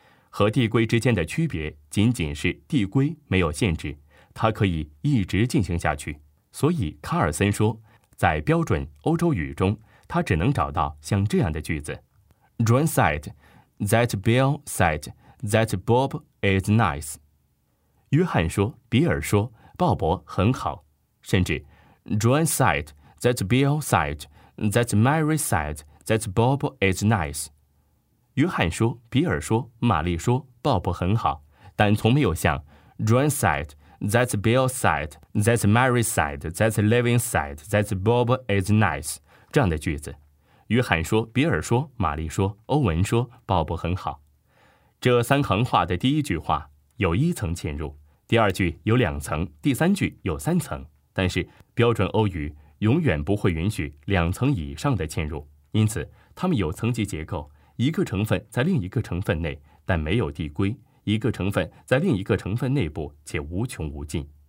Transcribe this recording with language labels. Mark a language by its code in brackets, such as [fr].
[zh] 和递归之间的区别仅仅是递归没有限制，它可以一直进行下去。所以卡尔森说，在标准欧洲语中，他只能找到像这样的句子 John said that Bill said that Bob is nice。约翰说，比尔说，鲍勃很好。 [en] 甚至 John said that Bill said that Mary said that Bob is nice。 [zh] 约翰说，比尔说，玛丽说，鲍勃很好，但从没有像 John said that Bill said that Mary said that Levin said that Bob is nice 这样的句子。约翰说，比尔说，玛丽说，欧文说，鲍勃很好。这三行话的第一句话有一层嵌入，第二句有两层，第三句有三层，但是标准欧语永远不会允许两层以上的嵌入，因此它们有层级结构，一个成分在另一个成分内，但没有递归，一个成分在另一个成分内部且无穷无尽。